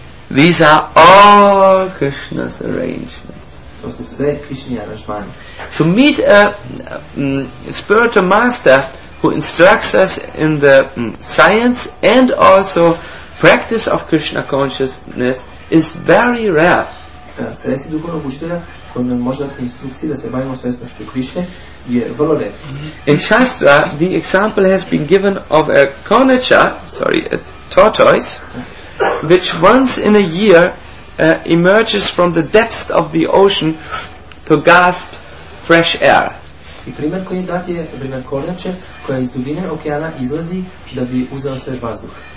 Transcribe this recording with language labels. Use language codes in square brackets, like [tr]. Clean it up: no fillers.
[en] These are all Krishna's arrangements. To meet a spiritual master who instructs us in the science and also practice of Krishna consciousness is very rare. [sr] Sresti duhovnog učitelja koji nam može dati instrukcije da se bavimo svjesnošću Krišne je vrlo redko. [en] In Shastra, the example has been given of a konača, sorry, a tortoise, which once in a year emerges from the depths of the ocean to gasp fresh air. [sr] I primjer koji je dat je primjer konače koja iz dubine okeana izlazi da bi uzela svež vazduh.